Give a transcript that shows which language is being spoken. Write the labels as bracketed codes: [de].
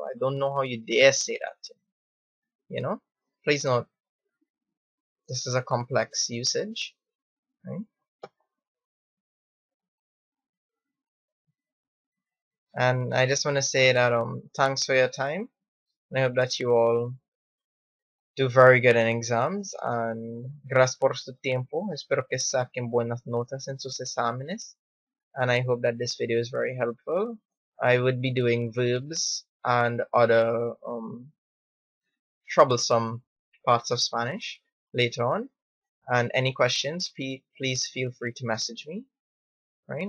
[en] I don't know how you dare say that. You know? Please note, this is a complex usage. Right? And I just want to say that thanks for your time. And I hope that you all do very good in exams. [es] And gracias por su tiempo. Espero que saquen buenas notas en sus exámenes. [en] And I hope that this video is very helpful. I would be doing verbs and other troublesome parts of Spanish later on. And any questions, please feel free to message me. Right?